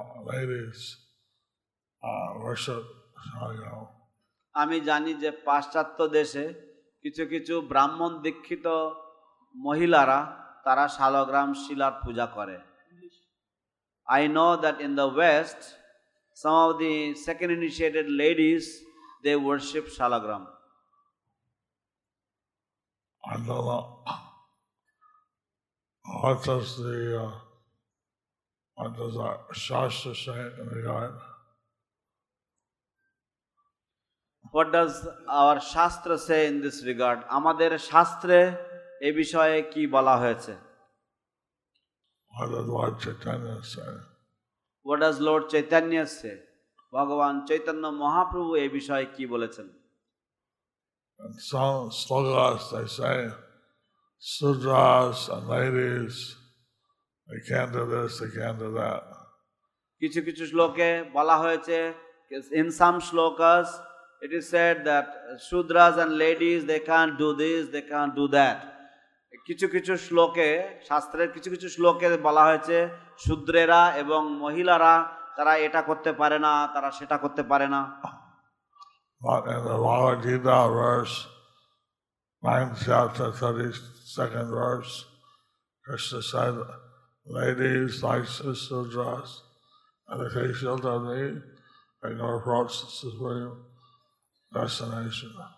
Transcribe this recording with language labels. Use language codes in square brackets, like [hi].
[en] ladies worship, you know. [bn] আমি জানি যে পাশ্চাত্য দেশে কিছু কিছু ব্রাহ্মণ দীক্ষিত মহিলারা তারা শালগ্রাম শিলার পূজা করে. [en] I know that in the West, some of the second initiated ladies, they worship Shalagram. And what does the Shastra say in regard? What does our Shastra say in this regard? [bn] Amader Shastre e bishoye ki bala hoyeche? [en] What does Lord Chaitanya say? What does Lord Chaitanya say? [bn] Bhagavan Chaitanya Mahaprabhu e bishoye ki bolechen? [en] And some slogans they say, sudras and ladies, they can't do this, they can't do that. [bn] Kichu kichu shloke bala hoyeche, [en] in some slokas it is said that sudras and ladies, they can't do this, they can't do that. [bn] কিছু কিছু শ্লোকে শাস্ত্রের কিছু কিছু শ্লোকে বলা হয়েছে শূদ্রেরা এবং মহিলারা তারা এটা করতে পারে না, তারা সেটা করতে পারে না. [en] But in the Bhagavad Gita verse, 9th chapter, 32nd verse, Krishna said, ladies, like sudras, and if they shelter me, they can approach the supreme destination.